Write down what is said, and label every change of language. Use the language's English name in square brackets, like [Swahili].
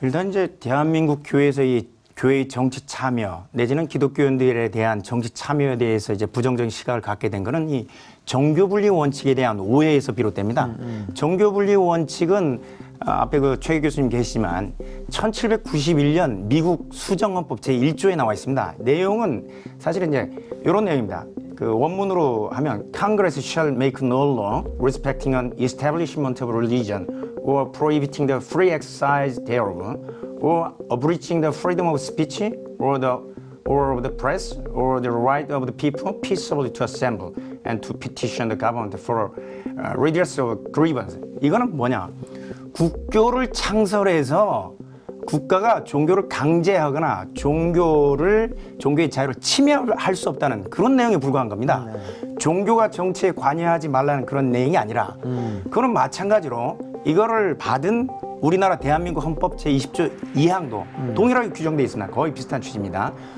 [Korean] 일단 이제 대한민국 교회에서 이 교회의 정치 참여 내지는 기독교인들에 대한 정치 참여에 대해서 이제 부정적인 시각을 갖게 된 것은 이 정교분리 원칙에 대한 오해에서 비롯됩니다. 정교분리 원칙은 앞에 그 최 교수님 계시지만 1791년 미국 수정헌법 제1조에 나와 있습니다. 내용은 사실은 이제 이런 내용입니다. 그 원문으로 하면 [English] Congress shall make no law respecting an establishment of religion or prohibiting the free exercise thereof or abridging the freedom of speech or the or of the press or the right of the people peaceably to assemble and to petition the government for redress of grievance. [Korean] 이거는 뭐냐? 국교를 창설해서 국가가 종교를 강제하거나 종교를 종교의 자유를 침해할 수 없다는 그런 내용에 불과한 겁니다. 네. 종교가 정치에 관여하지 말라는 그런 내용이 아니라 그건 마찬가지로 이거를 받은 우리나라 대한민국 헌법 제20조 2항도 동일하게 규정돼 있으나 거의 비슷한 취지입니다.